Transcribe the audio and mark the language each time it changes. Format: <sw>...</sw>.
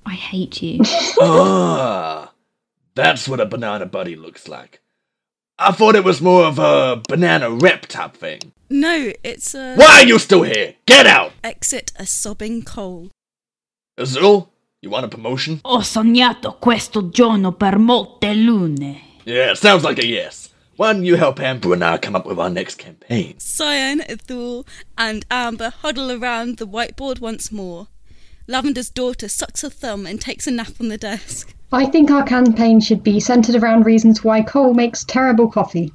<en>I hate you. Ah, that's what a banana buddy looks like. I thought it was more of a banana rep type thing. No, it's a... Why are you still here? Get out! Exit a sobbing Cole. Azul, you want a promotion?</en> <it>Ho sognato questo giorno per molte lune.</it> <en>Yeah, it sounds like a yes. Why don't you help Amber and I come up with our next campaign? Cyan, Athul, and Amber huddle around the whiteboard once more. Lavender's daughter sucks her thumb and takes a nap on the desk. I think our campaign should be centred around reasons why Cole makes terrible coffee.</en>